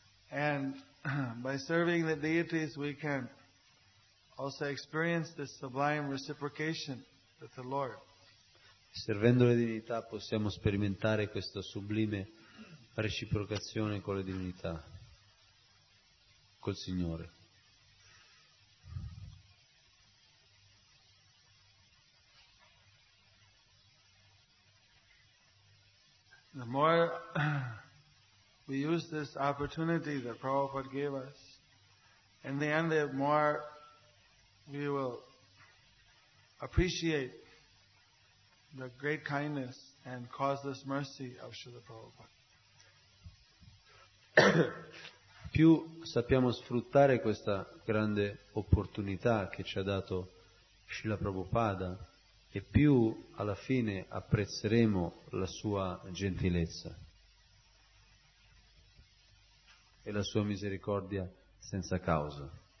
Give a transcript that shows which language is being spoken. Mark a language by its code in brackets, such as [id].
[en] And by serving the deities we can also experience this sublime reciprocation with the Lord. [it] Servendo le divinità possiamo sperimentare questa sublime reciprocazione con le divinità, col Signore. [en] The more we use this opportunity that Prabhupada gave us, in the end, the more we will appreciate the great kindness and causeless mercy of Srila Prabhupada. [it] Più sappiamo sfruttare questa grande opportunità che ci ha dato Srila Prabhupada, e più alla fine apprezzeremo la sua gentilezza e la sua misericordia senza causa.